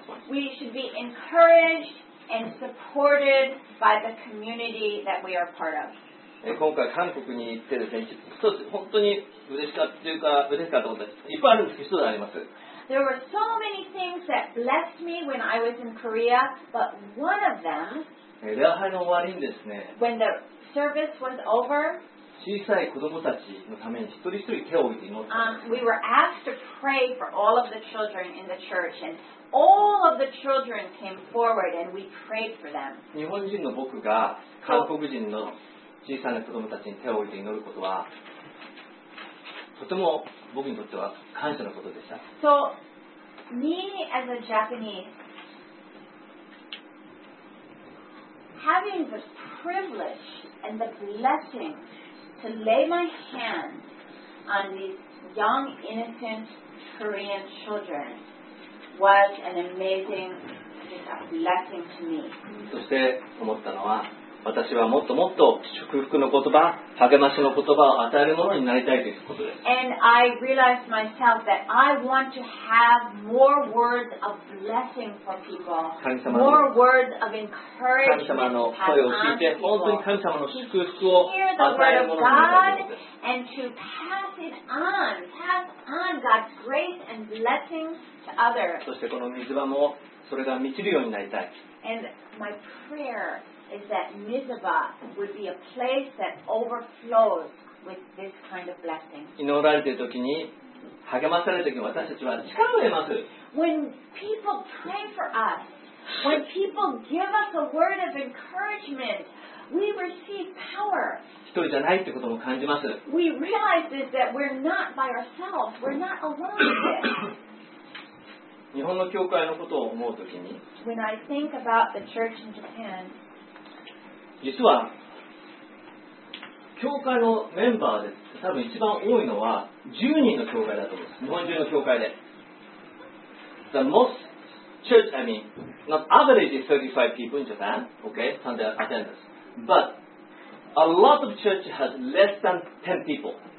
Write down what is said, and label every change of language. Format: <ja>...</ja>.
<en>We should be encouraged and supported by the community that we are part of.</en> <ja>今回韓国に行ってですね、一つ本当に嬉しかったというか嬉しかったことです。いっぱいあるんですけど、一つあります。</ja> <en>There were so many things that blessed me when I was in Korea, but one of them.</en> <ja>礼拝の終わりにですね。</ja> <en>When the service was over.</en> <ja>小さい子供たちのために一人一人手を置いて祈って。</ja> <en>We were asked to pray for all of the children in the church and all of the children came forward and we prayed for them.</en> <ja>日本人の僕が韓国人の小さな子供たちに手を置いて祈ることはとても僕にとっては感謝のことでした。</ja> <en>So, me as a Japanese, having the privilege and the blessing to lay my hand on these young, innocent Korean children was an amazing blessing to me.</en> <ja>そして思ったのは私はもっともっと祝福の言葉、励ましの言葉を与えるものになりたいということです。</ja> <en>And I realized myself that I want to have more words of blessing for people.</en> <ja>神様の、</ja> <en>more words of encouragement.</en> <ja>神様の声を聞いて、本当に神様の祝福を与えるものになりたいです。</ja> <en>To hear the word of God and to pass it on, pass on God's grace and blessing to others.</en> <ja>そしてこの水場もそれが満ちるようになりたい。</ja> <en>And my prayer. Is that Mizuba would be a place that overflows with this kind of blessing?</en> <ja>祈られている時に励まされている時に私たちは力を得ます。</ja> <en>When people pray for us, when people give us a word of encouragement, we receive power.</en> <ja>一人じゃないってことも感じます。</ja> <en>We realize this that we're not by ourselves. We're not alone in this.</en> <ja>日本の教会のことを思う時に、</ja> <en>When I think about the church in Japan.</en> <ja>実は教会のメンバーで多分一番多いのは10人の教会だと思います。日本中の教会で</ja> <en>The most church, I mean, not average is 35 people in Japan, okay, from the attendance. But a lot of church has less than 10 people.</en>